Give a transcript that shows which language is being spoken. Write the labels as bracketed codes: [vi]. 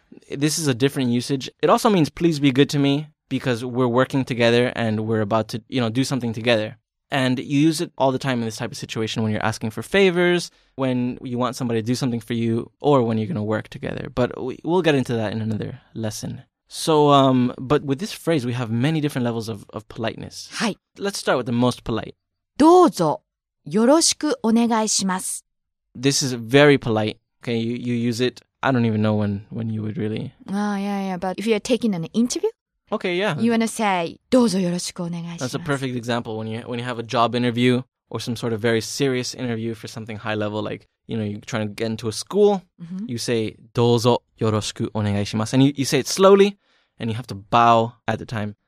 [en] This is a different usage. It also means please be good to me. Because we're working together and we're about to, you know, do something together. And you use it all the time in this type of situation when you're asking for favors, when you want somebody to do something for you, or when you're going to work together. But we'll get into that in another lesson. So, but with this phrase, we have many different levels of politeness. [ja] Hi. [en] Let's start with the most polite. [ja] どうぞよろしくお願いします. [en] This is very polite. Okay, you use it. I don't even know when you would really. Yeah. But if you're taking an interview. Okay, yeah. You want to say, [ja] どうぞよろしくお願いします. [en] That's a perfect example. When you have a job interview or some sort of very serious interview for something high level, like, you know, you're trying to get into a school, you say, [ja] どうぞよろしくお願いします. [en] And you say it slowly and you have to bow at the time.